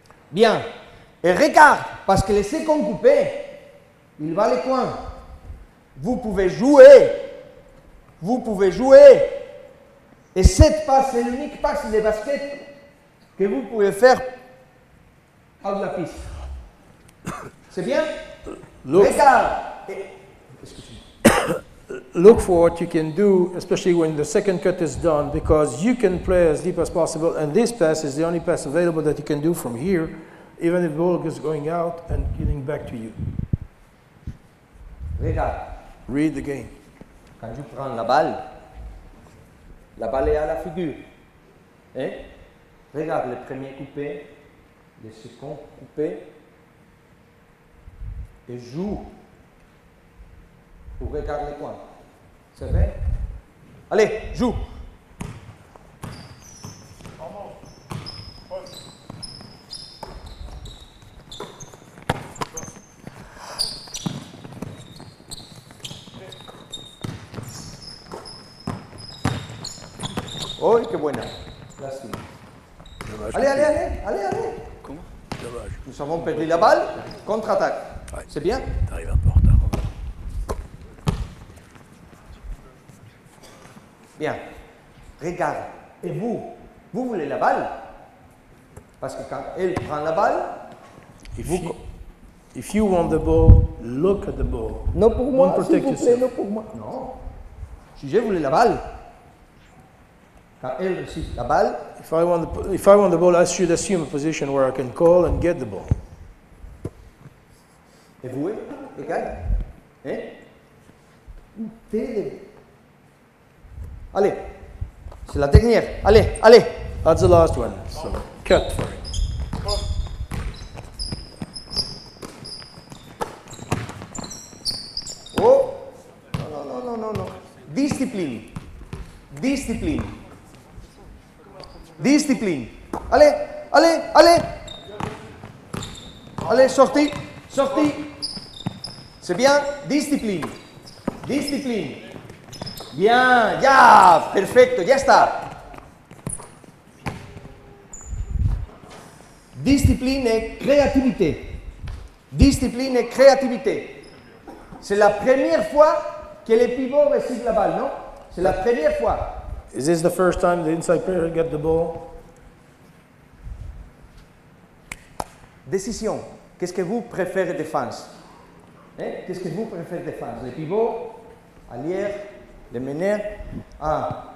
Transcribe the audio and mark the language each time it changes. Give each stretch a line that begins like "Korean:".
French: Bien. Et regarde, parce que les secondes coupées, il va les coins. Vous pouvez jouer. Vous pouvez jouer. Et cette passe, c'est l'unique passe de basket que vous pouvez faire à la piste. C'est bien?
English: Look.
French: Regarde.
English: Look for what you can do, especially when the second cut is done, because you can play as deep as possible, and this pass is the only pass available that you can do from here, even if the ball is going out and getting back to you.
French: Regarde.
English: Read the game.
French: Quand je prends la balle est à la figure. Et regarde le premier coupé, le second coupé, et joue. Ou regarde les coins. C'est vrai? Allez, joue!
Spanish: Oh, que buena. Lástima.
French: Dommage. Allez, allez, allez, allez, allez. Comment? Dommage. Nous avons perdu la balle. Contre-attaque. Ouais. C'est bien? T'arrives un peu en retard. Bien. Regarde. Et vous, vous voulez la balle? Parce que quand elle prend la balle,
English: If you want the ball, look at the ball.
French: Non pour moi, s'il vous plaît, non pour moi. Non. Si je voulais la balle, quand elle reçoit la balle,
English: if I want the ball, I should assume a position where I can call and get the ball.
French: Et vous, regarde, hein? Allez. C'est la dernière. Allez, allez.
English: That's the last one. So, cut for it.
French: Discipline. Discipline. Discipline. Allez, allez, allez. Allez, sortie, sortie. C'est bien. Discipline. Discipline. Bien.
Spanish: Ya, perfecto, ya está.
French: Discipline et créativité. Discipline et créativité. C'est la première fois que le pivot reçoit la balle, non? C'est la première fois.
English: Is this the first time the inside player get the ball?
French: Décision. Qu'est-ce que vous préférez défense? Eh? Qu'est-ce que vous préférez défense? Le pivot, arrière, le meneur. Ah.